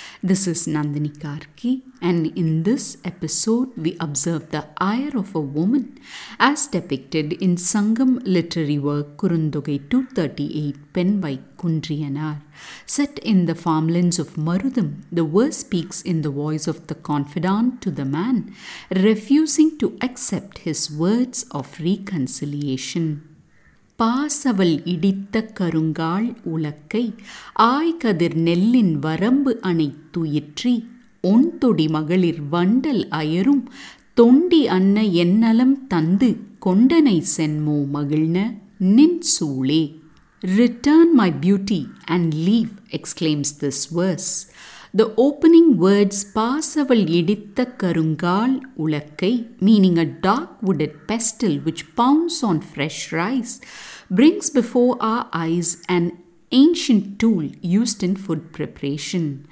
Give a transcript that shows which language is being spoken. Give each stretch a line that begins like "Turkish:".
English: This is Nandini Karki, and in this episode we observe the ire of a woman as depicted in Sangam literary work Kurundogai 238 penned by Kundrianar. Set in the farmlands of Marudam, the verse speaks in the voice of the confidant to the man, refusing to accept his words of reconciliation.
Tamil: பாசவல் இடித்த கருங்கால் உலக்கை ஆய்கதிர் நெல்லின் வரம்பு அணைத்துயிற்றி ஒன்தொடி மகளிர் வண்டல் அயரும் தொண்டி அன்ன என்னலம் தந்து கொண்டனை சென்மோ மகிழ்ன நின் சூளே.
English: Return my beauty and leave, exclaims this verse. The opening words, Pasaval Yiditha Karungal Ulakkai, meaning a dark-wooded pestle which pounds on fresh rice, brings before our eyes an ancient tool used in food preparation.